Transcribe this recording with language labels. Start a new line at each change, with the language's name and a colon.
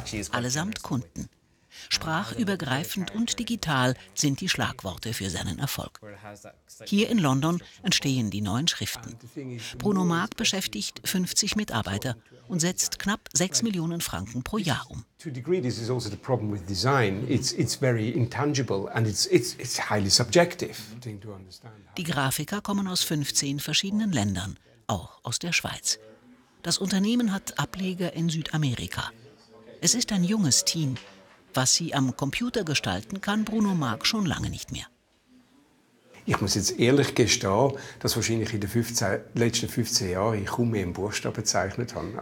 German: Allesamt Kunden. Sprachübergreifend und digital sind die Schlagworte für seinen Erfolg. Hier in London entstehen die neuen Schriften. Bruno Marc beschäftigt 50 Mitarbeiter und setzt knapp 6 Millionen Franken pro Jahr um.
English: To a degree, this is also the problem with design. It's very intangible and it's highly subjective.
German: Die Grafiker kommen aus 15 verschiedenen Ländern, auch aus der Schweiz. Das Unternehmen hat Ableger in Südamerika. Es ist ein junges Team. Was sie am Computer gestalten, kann Bruno Marc schon lange nicht mehr. Ich muss jetzt ehrlich gestehen, dass wahrscheinlich in den letzten 15 Jahren ich kaum mehr im Buchstaben bezeichnet habe.